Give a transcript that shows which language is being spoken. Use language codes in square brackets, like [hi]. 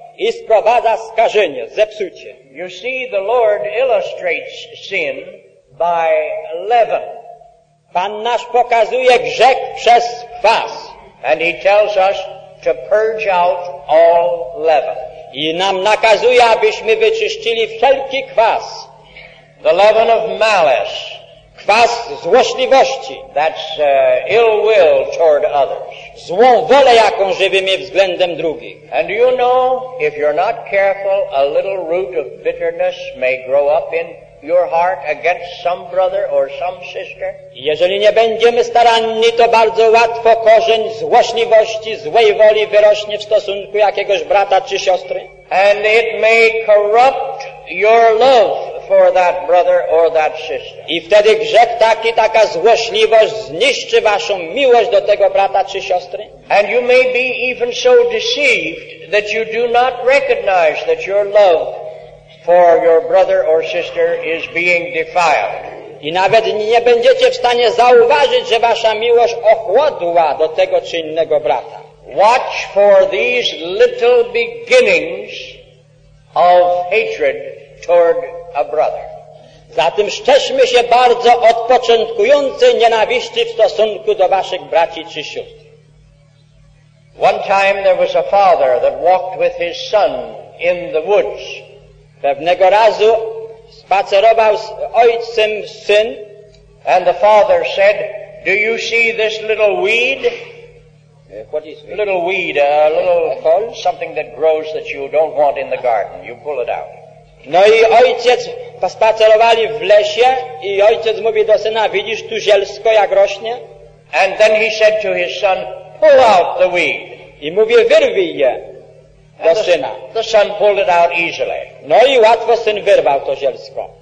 [pl] I sprowadza skażenie, zepsucie. [en] You see, the Lord illustrates sin by leaven. [pl] Pan nasz pokazuje grzech przez kwas. [en] And he tells us to purge out all leaven. [pl] I nam nakazuje, abyśmy wyczyścili wszelki kwas. [en] The leaven of malice, [pl] kwas złośliwości, [en] that's ill will toward others, [pl] złą wolę, jaką żywimy względem drugich. [en] And you know, if you're not careful, a little root of bitterness may grow up in your heart against some brother or some sister. [pl] Jeżeli nie będziemy staranni, to bardzo łatwo korzeń złośliwości, złej woli wyrośnie w stosunku jakiegoś brata czy siostry. [en] And it may corrupt your love for that brother or that sister. [pl] I wtedy grzech taki, taka złośliwość zniszczy waszą miłość do tego brata czy siostry. [en] And you may be even so deceived that you do not recognize that your love for your brother or sister is being defiled. [pl] I nawet nie będziecie w stanie zauważyć, że wasza miłość ochłodła do tego czy innego brata. [en] Watch for these little beginnings of hatred toward a brother. [pl] Zatem strzeżmy się bardzo od początkującej nienawiści w stosunku do waszych braci czy sióstr. [en] One time there was a father that walked with his son in the woods. [pl] Pewnego razu spacerował z ojcem syn. [en] And the father said, do you see this little weed? What is it? Little weed, a little something that grows that you don't want in the garden. You pull it out. [pl] No i ojciec, spacerowali w lesie i ojciec mówi do syna, widzisz tu zielsko jak rośnie? [en] And then he said to his son, pull out the weed. [pl] I mówi, wyrwij je. Do syna. [en] The son pulled it out easily. [pl] No i łatwo syn wyrwał to zielsko.